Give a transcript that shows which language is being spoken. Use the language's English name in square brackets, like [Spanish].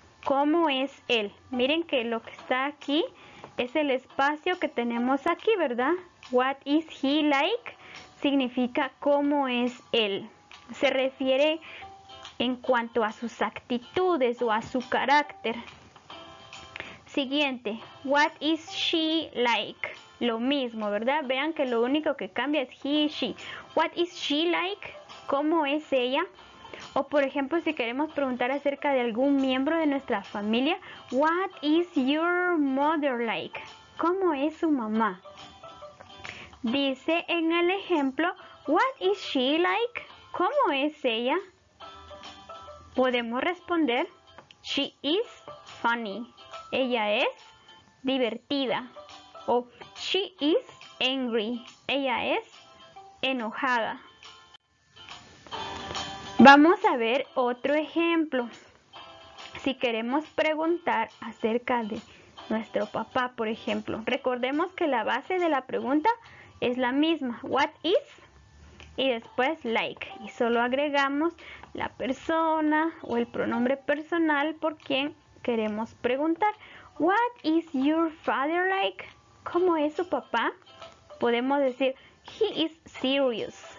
[Spanish] ¿Cómo es él? Miren que lo que está aquí es el espacio que tenemos aquí, ¿verdad? [English] What is he like? [Spanish] Significa cómo es él. Se refiere en cuanto a sus actitudes o a su carácter. Siguiente, [English] what is she like? [Spanish] Lo mismo, ¿verdad? Vean que lo único que cambia es he y she. [English] What is she like? [Spanish] ¿Cómo es ella? O por ejemplo, si queremos preguntar acerca de algún miembro de nuestra familia, [English] what is your mother like? [Spanish] ¿Cómo es su mamá? Dice en el ejemplo, [English] what is she like? [Spanish] ¿Cómo es ella? Podemos responder, [English] she is funny. [Spanish] Ella es divertida. O [English] she is angry. [Spanish] Ella es enojada. Vamos a ver otro ejemplo. Si queremos preguntar acerca de nuestro papá, por ejemplo, recordemos que la base de la pregunta es la misma. [English] What is? [Spanish] Y después like. Y solo agregamos la persona o el pronombre personal por quien queremos preguntar. [English] What is your father like? [Spanish] ¿Cómo es su papá? Podemos decir, [English] he is serious.